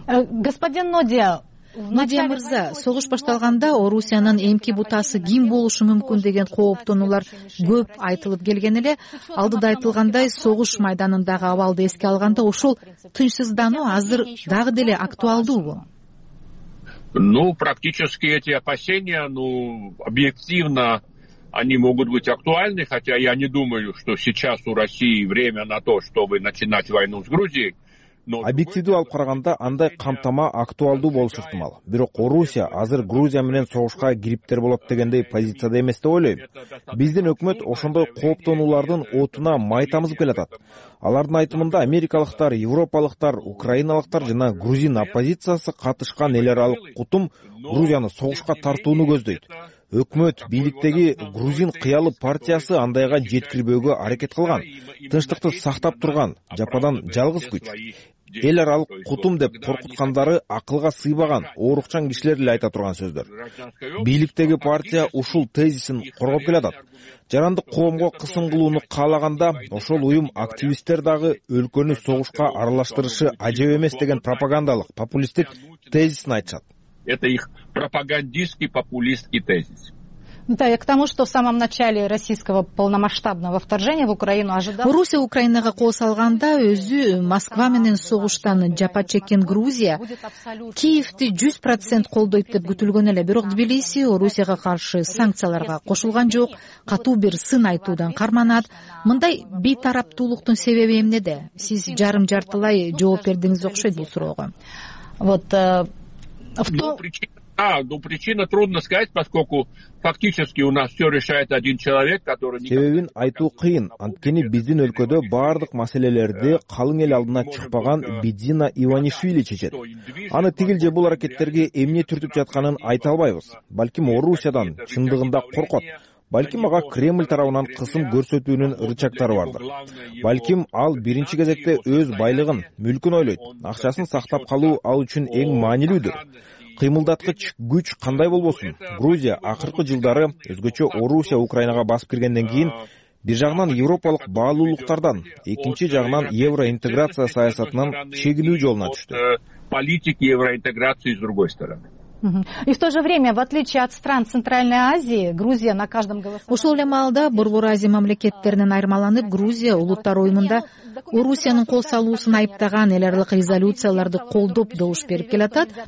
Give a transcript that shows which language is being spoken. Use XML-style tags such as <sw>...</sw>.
<ky>Господин Нодия, Надия мырза, согуш башталганда Орусиянын эмки бутасы ким болушу мүмкүн деген кооптонуулар көп айтылып келген эле. Алдыда айтылгандай, согуш майданындагы абалды эске алганда ушул тынчсыздануу азыр дагы деле актуалдуубу?</ky> <ru>Ну, практически эти опасения, объективно они могут быть актуальны, хотя я не думаю, что сейчас у России время на то, чтобы начинать войну с Грузией.</ru> <ky>Объективдүү алып караганда андай камтама актуалдуу болушу ыктымал. Бирок Орусия азыр Грузия менен согушка кириптер болот дегендей позицияда эмес деп ойлойм. Биздин өкмөт ошондой кооптонуулардын отуна май тамызып келатат. Алардын айтымында америкалыктар, европалыктар, украиналыктар жана грузин оппозициясы катышкан эл аралык кутум Грузияны согушка тартууну көздөйт. Өкмөт бийликтеги грузин кыялы партиясы андайга жеткирбөөгө аракет кылган, тынчтыкты сактап турган жападан жалгыз күч. Эл аралык кутум деп коркуткандары акылга сыйбаган оорукчан кишилер эле айта турган сөздөр. Бийликтеги партия ушул тезисин коргоп келатат. Жарандык коомго кысым кылууну каалаганда ошол уюм активисттер дагы өлкөнү согушка аралаштырышы ажеп эмес деген пропагандалык популисттик тезисин айтышат.</ky> <ru>Это их пропагандистский популистский тезис. Да, я к тому, что в самом начале российского полномасштабного вторжения в Украину ожидалось.</ru> <ky>Орусия Украинага кол салганда өзү Москва менен согуштан жапа чеккен Грузия Киевти 100% колдойт деп күтүлгөн эле. Бирок Тбилиси Орусияга каршы санкцияларга кошулган жок, катуу бир сын айтуудан карманат. Мындай бейтараптуулуктун себеби эмнеде? Сиз жарым-жартылай жооп бердиңиз окшойт бул суроого.</ky> <ru>Вот Причина трудно сказать, поскольку фактически у нас все решает один человек, который...</ru> <ky>Себебин айтуу кыйын, анткени биздин өлкөдө бардык маселелерди калың эл алдына чыкпаган Бидзина Иванишвили чечет. Аны тигил же бул аракеттерге эмне түртүп жатканын айта албайбыз. Балким Орусиядан чындыгында коркот. Балким ага Кремль тарабынан кысым көрсөтүүнүн рычагтары бардыр. Балким ал биринчи кезекте өз байлыгын, мүлкүн ойлойт. Акчасын сактап калуу ал үчүн эң маанилүүдүр. Кыймылдаткыч күч кандай болбосун, Грузия акыркы жылдары өзгөчө Орусия Украинага басып киргенден кийин бир жагынан европалык баалуулуктардан, экинчи жагынан евроинтеграция саясатынан чегинүү жолуна түштү.</ky> <ru>Политика евроинтеграции с другой стороны. И в то же время, в отличие от стран Центральной Азии, Грузия на каждом голосовании... Ушел ли малда, бурбуразия мамлекеттернен айрмаланып, Грузия, улуттар ойнында, Урусияның қол салуысын айыптаған элерлік резолюцияларды қолдоп дауыш беріп келатад.</ru>